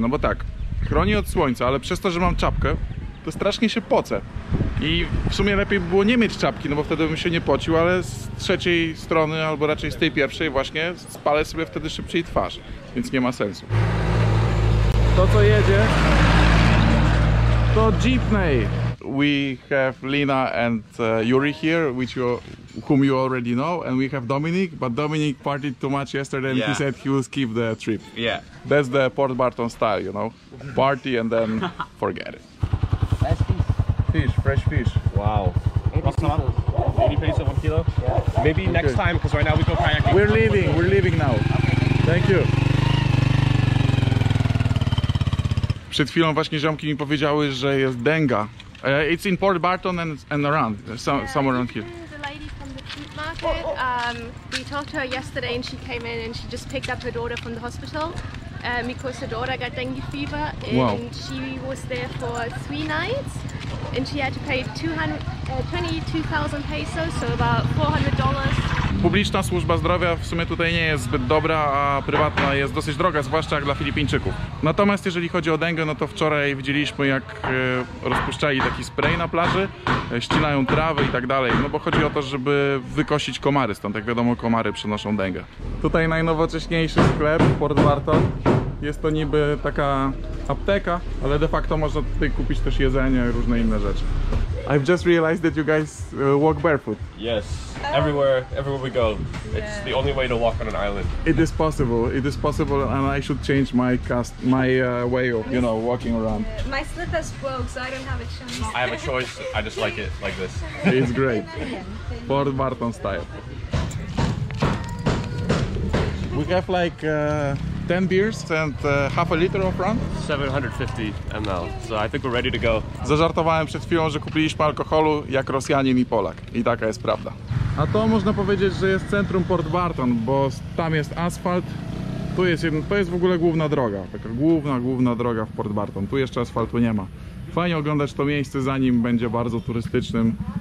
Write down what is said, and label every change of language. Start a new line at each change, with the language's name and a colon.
Polish: No bo tak, chroni od słońca, ale przez to, że mam czapkę, to strasznie się pocę. I w sumie lepiej by było nie mieć czapki, no bo wtedy bym się nie pocił, ale z trzeciej strony, albo raczej z tej pierwszej właśnie, spalę sobie wtedy szybciej twarz, więc nie ma sensu. To co jedzie, to jeepney.
English: We have Lina and Yuri here, which you, whom you already know, and we have Dominic, but Dominic partied too much yesterday and yeah. He said he will skip the trip. Yeah. That's the Port Barton style, you know, party and then forget it. Fish, fresh fish. Wow. 80 pesos, 1 kilo. Yeah. Maybe okay. Next time, because right now we go kayaking. We're leaving now. Okay. Thank you.
Polish: Przed chwilą właśnie ziomki mi powiedziały, że jest denga.
English: It's in Port Barton and around, somewhere around here. The lady from the food market, it. We talked to her yesterday and she came in and she just picked up her daughter from the hospital because her daughter got dengue fever. And wow. She was there for 3 nights and she had to pay 22,000 pesos, so about $400.
Polish: Publiczna służba zdrowia w sumie tutaj nie jest zbyt dobra, a prywatna jest dosyć droga, zwłaszcza jak dla Filipińczyków. Natomiast jeżeli chodzi o dengę, no to wczoraj widzieliśmy, jak rozpuszczali taki spray na plaży, ścinają trawę i tak dalej, no bo chodzi o to, żeby wykosić komary stąd, jak wiadomo, komary przenoszą dengę. Tutaj najnowocześniejszy sklep w Port Barton. Jest to niby taka apteka, ale de facto można tutaj kupić też jedzenie i różne inne rzeczy.
English: I've just realized that you guys walk barefoot. Yes, everywhere we go. It's the only way to walk on an island. It is possible, and I should change my way of, you know, walking around. My slippers broke, so I don't have a choice. I have a choice, I just like it like this. It's great. Port Barton style. We have like 10 beers and half a liter of rum. 750 ml, so I think we're ready to go.
Polish: Zażartowałem przed chwilą, że kupiliśmy alkoholu jak Rosjanin i Polak. I taka jest prawda. A to można powiedzieć, że jest centrum Port Barton, bo tam jest asfalt. To jest w ogóle główna droga. Taka główna droga w Port Barton. Tu jeszcze asfaltu nie ma. Fajnie oglądać to miejsce, zanim będzie bardzo turystycznym.